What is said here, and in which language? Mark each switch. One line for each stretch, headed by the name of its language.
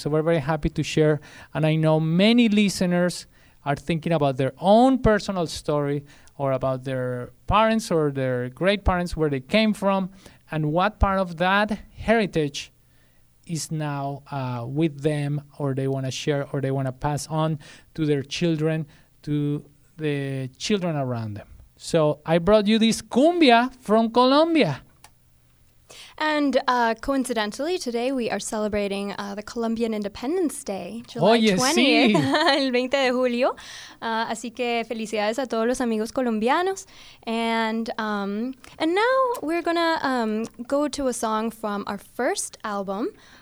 English: So we're very happy to share. And I know many listeners are thinking about their own personal story or about their parents or their great parents, where they came from, and what part of that heritage is now with them, or they want to share, or they want to pass on to their children, to the children around them. So I brought you this cumbia from Colombia. And coincidentally, today we are celebrating the Colombian Independence Day, July
Spanish: Oye,
English: 20th,
Spanish: sí. el 20 de julio. Así que felicidades a todos los amigos colombianos.
English: And now we're going to go to a song from our first album.